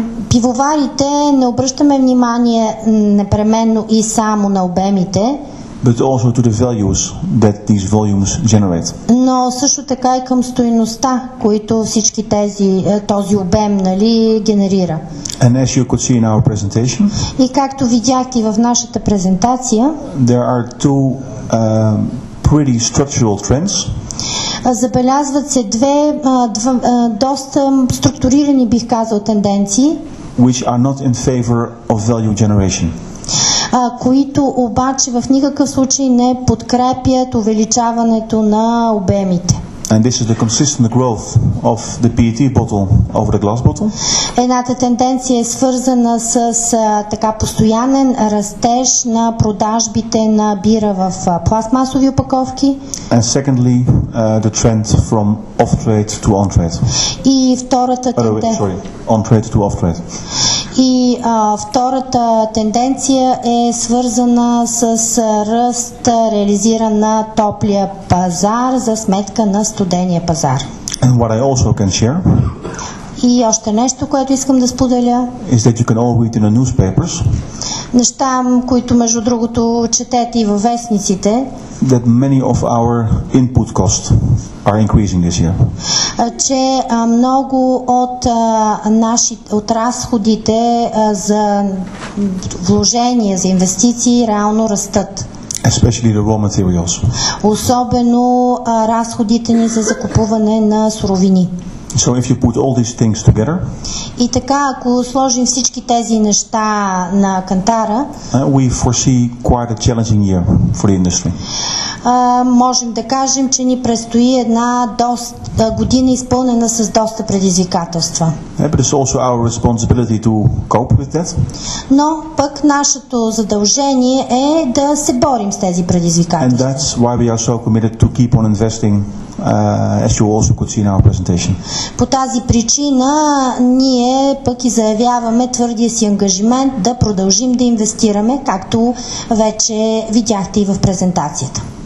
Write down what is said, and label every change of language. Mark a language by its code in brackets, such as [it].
[bg] Пивоварите не обръщаме внимание непременно и само на обемите. [en] But also to the values that these volumes generate. [bg] Но също така и към стойността, които всички тези, този обем, нали, генерира. [en] And as you could see in our presentation. [bg] И както видяхте в нашата презентация. [en] There are two pretty structural trends. [bg] Забелязват се две доста структурирани, бих казал, тенденции, [en] which are not in favor of value generation. [bg] Които обаче в никакъв случай не подкрепят увеличаването на обемите. [en] And this is the consistent growth of the PET bottle over the glass bottle. [bg] Едната тенденция е свързана с така постоянен растеж на продажбите на бира в пластмасови опаковки. [en] And secondly, the trend from off-trade to on-trade. [bg] И втората [en] on-trade to off-trade. [bg] И втората тенденция е свързана с ръст реализиран на топлия пазар за сметка на студения пазар. [en] And what I also can share. [bg] И още нещо, което искам да споделя. [en] Is that you can all read in the newspapers. [bg] Неща, които между другото четете и във вестниците. [en] That many of our input costs are increasing this year. [bg] Че много от от разходите за вложения, за инвестиции реално растат. [en] Especially the raw materials. [bg] Особено разходите ни за закупуване на суровини. [en] So if you put all these things together. [bg] И така, ако сложим всички тези неща на кантара, [en] we foresee quite a challenging year for the industry. [bg] Можем да кажем, че ни предстои една доста година изпълнена с доста предизвикателства. [en] But it's also our responsibility to cope with that. [bg] Но пък нашето задължение е да се борим с тези предизвикателства. [en] And that's why we are so committed to keep on investing. As you also could see in our presentation. [bg] По тази причина ние пък и заявяваме твърдия си ангажимент да продължим да инвестираме, както вече видяхте и в презентацията.